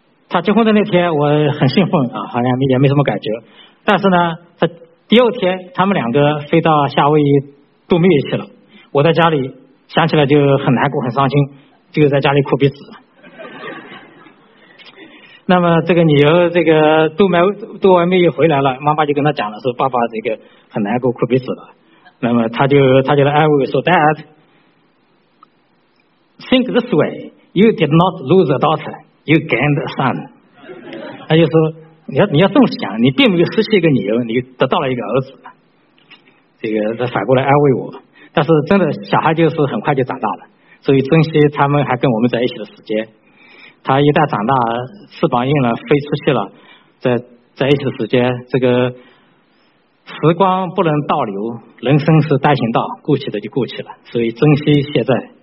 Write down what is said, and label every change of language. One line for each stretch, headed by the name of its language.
Chinese: 他结婚的那天我很兴奋啊，好像也没什么感觉，但是呢，他第二天他们两个飞到夏威夷度蜜月去了，我在家里想起来就很难过很伤心，就在家里哭鼻子。那么这个女儿这个度完蜜月回来了，妈妈就跟他讲了，说爸爸这个很难过哭鼻子了。那么他就来安慰说
English: Dad think this way, you did not lose a daughter, you gained a son。
Chinese: 他就说你要这么想，你并没有失去一个女儿，你得到了一个儿子。这个他反过来安慰我，但是真的小孩就是很快就长大了，所以珍惜他们还跟我们在一起的时间。他一旦长大翅膀硬了飞出去了，在一起的时间，这个时光不能倒流，人生是单行道，过去的就过去了，所以珍惜现在。